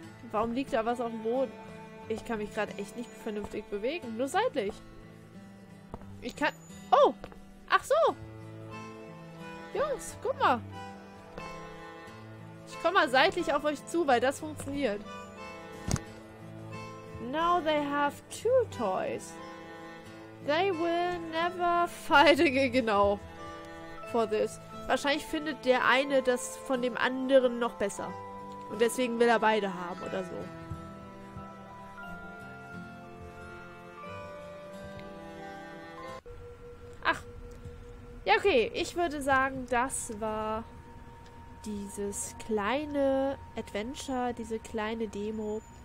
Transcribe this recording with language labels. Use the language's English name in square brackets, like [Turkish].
[German] Warum liegt da was auf dem Boden? Ich kann mich gerade echt nicht vernünftig bewegen, nur seitlich. Ich kann... Oh! Ach so! Jungs, guck mal! Ich komme mal seitlich auf euch zu, weil das funktioniert. [English] Now they have two toys. They will never fight again, genau. For this. [German] Wahrscheinlich findet der eine das von dem anderen noch besser. Und deswegen will er beide haben oder so. Ach. Ja, okay. Ich würde sagen, das war dieses kleine Adventure, diese kleine Demo.